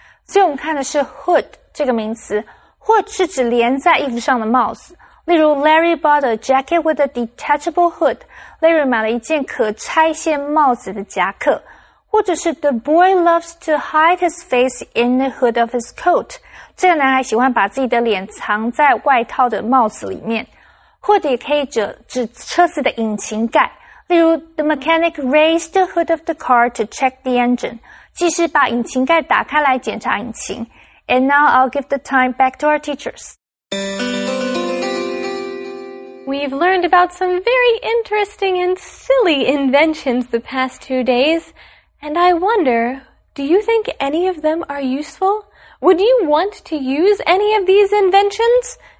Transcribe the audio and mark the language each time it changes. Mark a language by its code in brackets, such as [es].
[zh] 所以我们看的是 hood 这个名词。Hood 是指连在衣服上的帽子。例如 [en] Larry bought a jacket with a detachable hood. [zh] Larry 买了一件可拆卸帽子的夹克。或者是 [en] The boy loves to hide his face in the hood of his coat. [zh] 这个男孩喜欢把自己的脸藏在外套的帽子里面。 Hood 也可以指车子的引擎盖。例如 [en] ,The mechanic raised the hood of the car to check the engine. [zh] 技师把引擎盖打开来检查引擎。 [en] And now I'll give the time back to our teachers. We've learned about some very interesting and silly inventions the past 2 days. And I wonder, do you think any of them are useful? Would you want to use any of these inventions?